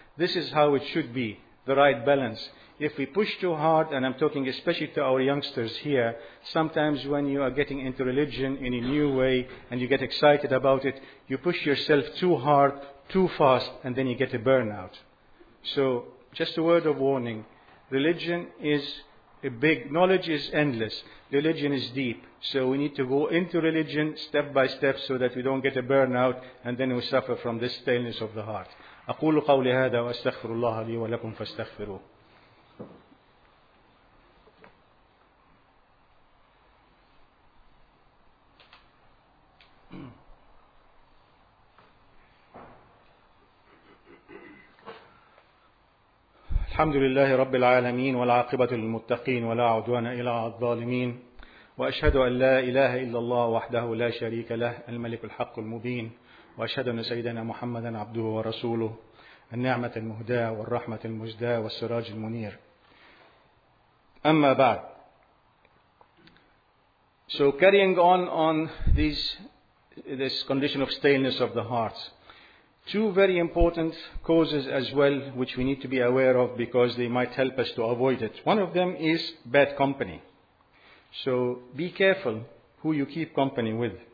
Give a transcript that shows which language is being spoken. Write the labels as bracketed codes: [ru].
[en] This is how it should be, the right balance. If we push too hard, and I'm talking especially to our youngsters here, sometimes when you are getting into religion in a new way and you get excited about it, you push yourself too hard, too fast, and then you get a burnout. So, just a word of warning. Religion is a big, knowledge is endless. Religion is deep. So we need to go into religion step by step so that we don't get a burnout and then we suffer from this staleness of the heart. [ar] أقول قولي هذا وأستغفر الله لي ولكم فاستغفروه. الحمد لله رب العالمين والعاقبة للمتقين ولا عدوان إلى الظالمين وأشهد أن لا إله إلا الله وحده لا شريك له الملك الحق المبين وأشهد أن سيدنا محمدا عبده ورسوله النعمة المهداة والرحمة المجداة والسراج المنير أما بعد. [en] So carrying on this condition of staleness of the heart. Two very important causes as well, which we need to be aware of because they might help us to avoid it. One of them is bad company. So be careful who you keep company with.